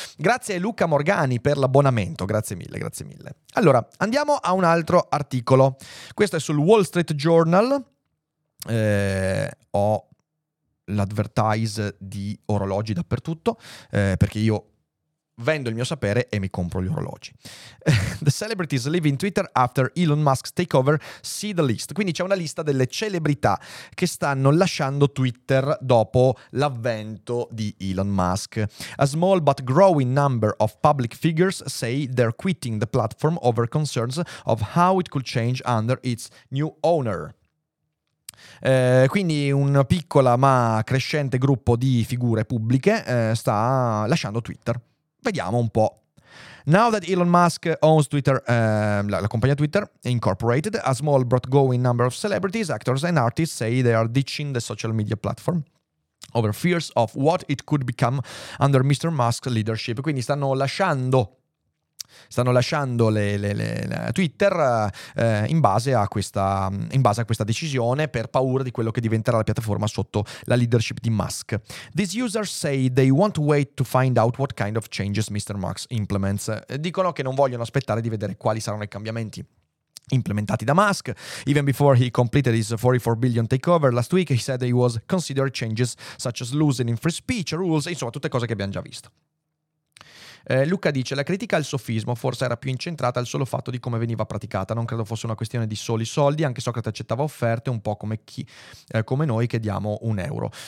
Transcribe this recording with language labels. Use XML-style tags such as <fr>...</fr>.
<it>Grazie Luca Morgani per l'abbonamento, grazie mille. Allora, andiamo a un altro articolo. Questo è sul Wall Street Journal. Ho l'advertise di orologi dappertutto, perché io vendo il mio sapere e mi compro gli orologi.</it> <en>The celebrities leaving Twitter after Elon Musk's takeover, see the list.</en> <it>Quindi c'è una lista delle celebrità che stanno lasciando Twitter dopo l'avvento di Elon Musk.</it> <en>A small but growing number of public figures say they're quitting the platform over concerns of how it could change under its new owner.</en> <it>Quindi un piccola ma crescente gruppo di figure pubbliche sta lasciando Twitter. Vediamo un po'.</it> <en>Now that Elon Musk owns Twitter,</en> <it>la compagnia Twitter Incorporated,</it> <en>a small but growing number of celebrities, actors and artists say they are ditching the social media platform. over fears of what it could become under Mr. Musk's leadership.</en> <it>Quindi stanno lasciando le Twitter in base a questa decisione, per paura di quello che diventerà la piattaforma sotto la leadership di Musk.</it> <en>These users say they won't wait to find out what kind of changes Mr. Musk implements.</en> <it>Dicono che non vogliono aspettare di vedere quali saranno i cambiamenti implementati da Musk.</it> <en>Even before he completed his $44 billion takeover last week, he said he was considering changes such as loosening free speech rules,</en> <it>insomma tutte cose che abbiamo già visto. Luca dice: la critica al sofismo forse era più incentrata al solo fatto di come veniva praticata, non credo fosse una questione di soli soldi, anche Socrate accettava offerte un po' come chi come noi che diamo un euro.</it>